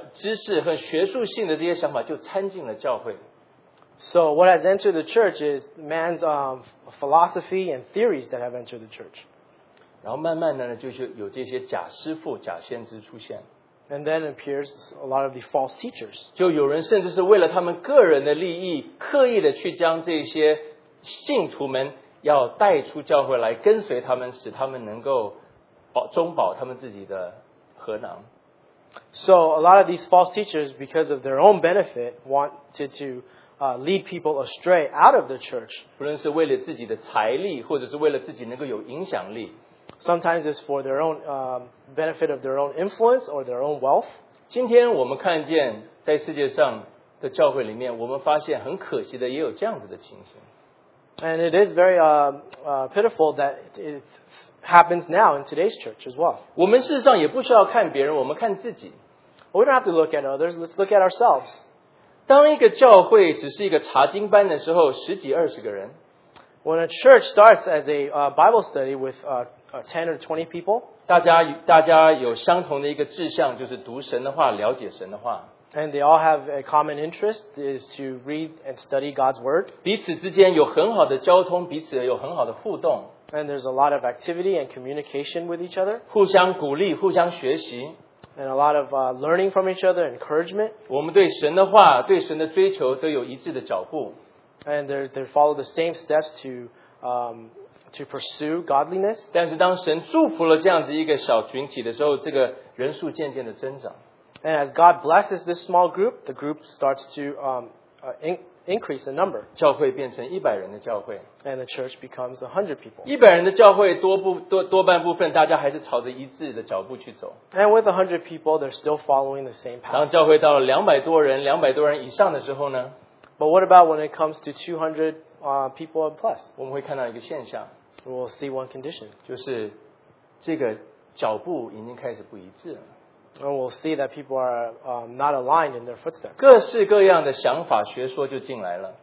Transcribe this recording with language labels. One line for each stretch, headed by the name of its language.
Chinese: 很多当时哲学上面的，并且科学上面，或者是人文上面的一些知识和学术性的这些想法就掺进了教会。
English: So what has entered the church is man's philosophy and theories that have entered the church.
Chinese: 然后慢慢的呢，就是有这些假师傅、假先知出现。
English: And then appears a lot of the false teachers.
Chinese: 就有人甚至是为了他们个人的利益，刻意的去将这些信徒们要带出教会来，跟随他们，使他们能够保中保他们自己的荷囊。
English: So a lot of these false teachers, because of their own benefit, wanted to lead people astray out of the church.
Chinese: 不论是为了自己的财力，或者是为了自己能够有影响力。
English: Sometimes it's for their own benefit of their own influence or their own wealth.
Chinese: 今天我们看见在世界上的教会里面，我们发现很可惜的，也有这样子的情形。
English: And it is very pitiful that it happens now in today's church as well.
Chinese: 我们事实上也不需要看别人，我们看自己。
English: We don't have to look at others. Let's look at ourselves.
Chinese: 当一个教会只是一个查经班的时候，十几二十个人。
English: When a church starts as a Bible study with 10 or 20 people,
Chinese: 大家有相同的一个志向，就是读神的话，了解神的话。
English: And they all have a common interest, is to read and study God's word.
Chinese: 彼此之间有很好的交通，彼此有很好的互动。
English: And there's a lot of activity and communication with each other.
Chinese: 互相鼓励，互相学习。
English: And a lot of learning from each other, encouragement.
Chinese: 我们对神的话，对神的追求，都有一致的脚步。
English: And they follow the same steps to pursue godliness.
Chinese: 但是当神祝福了这样子一个小群体的时候，这个人数渐渐的增长。
English: And as God blesses this small group, the group starts to increase the number.
Chinese: 教会变成100人的教会。
English: And the church becomes 100 people.
Chinese: 100人的教会多半部分大家还是朝着一致的脚步去走。
English: And with 100 people, they're still following the same path.
Chinese: 当教会到了200多人、200多人以上的时候呢？
English: But what about when it comes to 200 people and plus?
Chinese: 我们会看到一个现象。
English: We'll see one condition.
Chinese: 就是这个脚步已经开始不一致了。
English: And we'll see that people are not aligned in their footsteps.
Chinese: 各式各样的想法学说就进来了。